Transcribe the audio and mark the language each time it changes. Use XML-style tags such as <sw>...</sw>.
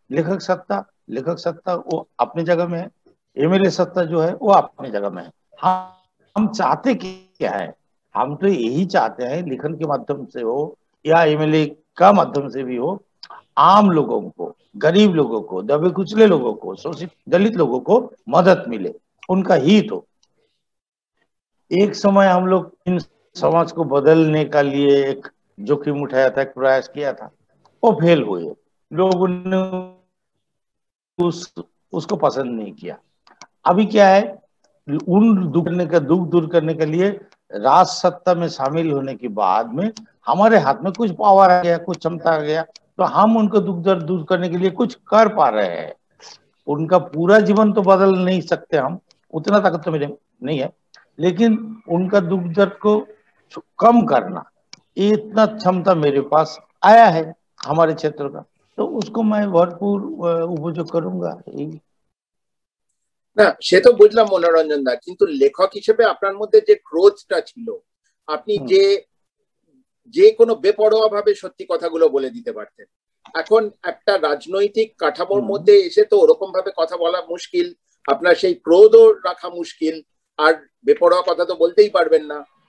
<hi>লেখক সত্তা, লেখক সত্তা ও আপনি জগহ মে হ্যায়, এমএলএ সত্তা জো হ্যায় ও আপনি জগহ মে হ্যায়। হাম চাহতে কি ক্যা হ্যায়, হাম তো এহি চাহতে হ্যায় লিখন কে মাধ্যম সে হো ইয়া এমএলএ का माध्यम से भी हो, आम लोगों को, गरीब लोगों को, दबे कुचले लोगों को, शोषित दलित लोगों को मदद मिले, उनका हित हो। एक समय हम लोग इन समाज को बदलने का लिए एक जोखिम उठाया था, एक प्रयास किया था, वो फेल हुए, लोगों ने उसको पसंद नहीं किया। अभी क्या है, उन दुख दूर करने के लिए राज सत्ता में शामिल होने के बाद में हमारे हाथ में कुछ पावर आ गया, कुछ क्षमता आ गया, तो हम उनको दुख दर्द दूर करने के लिए कुछ कर पा रहे हैं। उनका पूरा जीवन तो बदल नहीं सकते हम, उतना ताकत तो मेरे नहीं है, लेकिन उनका दुख दर्द को कम करना, इतना क्षमता मेरे पास आया है हमारे क्षेत्र का, तो उसको मैं भरपूर उपयोग करूंगा।</hi> <bn>না, সে তো বুঝলাম মনোরঞ্জন দা, কিন্তু লেখক হিসেবে আপনার মধ্যে যে ক্রোধটা ছিল, আপনি যে যে কোনো বেপরোয়া ভাবে সত্যি কথাগুলো বলে দিতে পারতেন, এখন একটা রাজনৈতিক কাঠামোর মধ্যে এসে তো ওরকম ভাবে কথা বলা মুশকিল, আপনার সেই ক্রোধ রাখা মুশকিল, আর বেপরোয়া কথা তো বলতেই পারবেন না।</bn>